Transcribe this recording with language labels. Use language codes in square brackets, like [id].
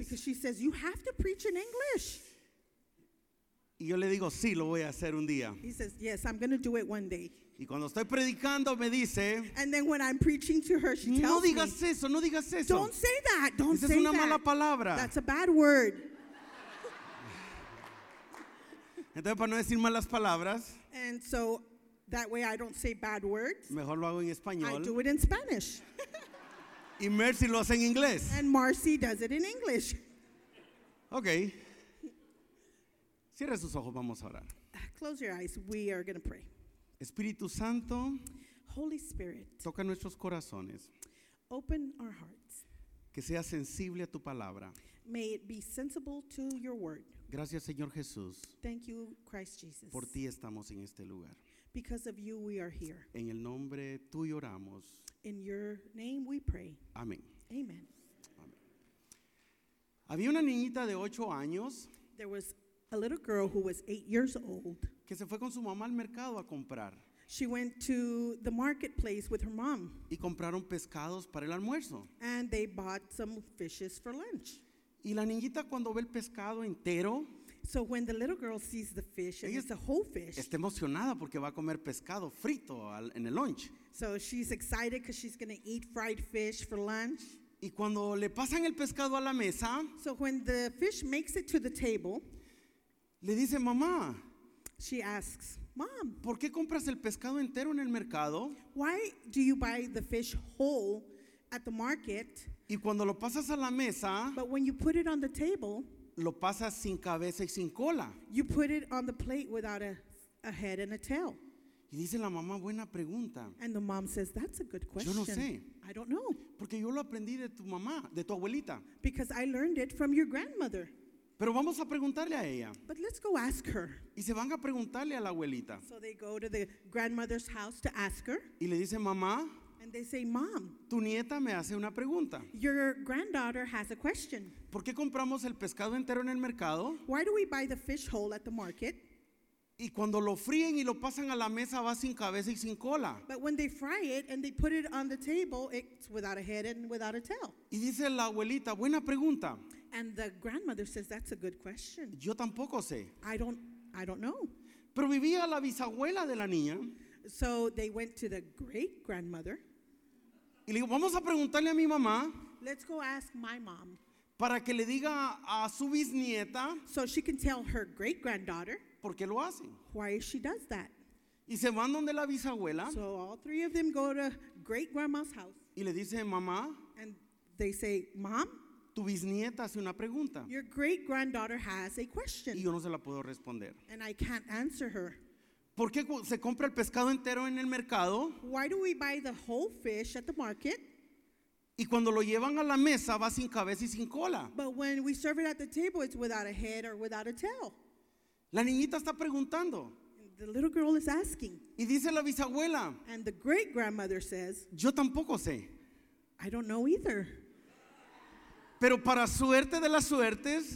[en] Because she says, you have to preach in English. [es] Y yo le digo, sí, lo voy a hacer un día. [en] He says, yes, I'm going to do it one day. [es] Y cuando estoy predicando me dice, [en] and then when I'm preaching to her, she tells [es] me, no digas eso, no digas eso. [en] Don't say that, don't say [es] that. Esa es una mala palabra. [en] That's a bad word. [es] Entonces, para no decir malas palabras, [en] and so that way I don't say bad words. [es] Mejor lo hago en español. [en] I do it in Spanish. [es] Y Mercy lo hace en inglés. [en] And Marcy does it in English. Okay. [es] Cierre sus ojos, vamos a orar. [en] Close your eyes. We are going to pray. [es] Espíritu Santo, [en] Holy Spirit, [es] toca nuestros corazones. [en] Open our hearts. [es] Que sea sensible a tu palabra. [en] May it be sensible to your word. [es] Gracias, Señor Jesús. [en] Thank you, Christ Jesus. [es] Por ti estamos en este lugar. [en] Because of you, we are here. [es] En el nombre tuyo oramos. [en] In your name we pray. [es] Amén. [en] Amen. [es] Había una niñita de 8 años. [en] There was a little girl who was 8 years old. [es] Que se fue con su mamá al mercado a comprar. [en] She went to the marketplace with her mom. [es] Y compraron pescados para el almuerzo. [en] And they bought some fishes for lunch. [es] Y la niñita cuando ve el pescado entero. [en] So when the little girl sees the fish, and it's a whole fish. [es] Está emocionada porque va a comer pescado frito en el lunch. [en] So she's excited because she's going to eat fried fish for lunch. [es] Y cuando le pasan el pescado a la mesa. [en] So when the fish makes it to the table. [es] Le dice, mamá. [en] She asks, mom. [es] ¿Por qué compras el pescado entero en el mercado? [en] Why do you buy the fish whole at the market? [es] Y cuando lo pasas a la mesa. [en] But when you put it on the table. [es] Lo pasas sin cabeza y sin cola. [en] You put it on the plate without a head and a tail. [es] Y dice la mamá, buena pregunta. [en] And the mom says, that's a good question. [es] Yo no sé. [en] I don't know. [es] Porque yo lo aprendí de tu mamá, de tu abuelita. [en] Because I learned it from your grandmother. [es] Pero vamos a preguntarle a ella. [en] But let's go ask her. [es] Y se van a preguntarle a la abuelita. [en] So they go to the grandmother's house to ask her. [es] Y le dice, mamá. [en] And they say, mom. [es] Tu nieta me hace una pregunta. [en] Your granddaughter has a question. [es] ¿Por qué compramos el pescado entero en el mercado? [en] Why do we buy the fish whole at the market? [es] Y cuando lo fríen y lo pasan a la mesa va sin cabeza y sin cola. [en] But when they fry it and they put it on the table, it's without a head and without a tail. [es] Y dice la abuelita, buena pregunta. [en] And the grandmother says, that's a good question. [es] Yo tampoco sé. [en] I don't know. [es] Pero vivía la bisabuela de la niña. [en] So they went to the great grandmother. [es] Y le digo, vamos a preguntarle a mi mamá. [en] Let's go ask my mom. [es] Para que le diga a su bisnieta. [en] So she can tell her great granddaughter. [es] ¿Por qué lo hacen? [en] Why she does that. [es] Y se van donde la bisabuela. [en] So all three of them go to great grandma's house. [es] Y le dice, mamá. [en] And they say, mom. [es] Tu bisnieta hace una pregunta. [en] Your great granddaughter has a question. [es] Y yo no se la puedo responder. [en] And I can't answer her. [es] ¿Por qué se compra el pescado entero en el mercado? [en] Why do we buy the whole fish at the market? [es] Y cuando lo llevan a la mesa va sin cabeza y sin cola. [en] But when we serve it at the table, it's without a head or without a tail. [es] La niñita está preguntando. [en] The little girl is asking. [es] Y dice la bisabuela. [en] And the great grandmother says. [es] Yo tampoco sé. [en] I don't know either. [es] Pero para suerte de las suertes.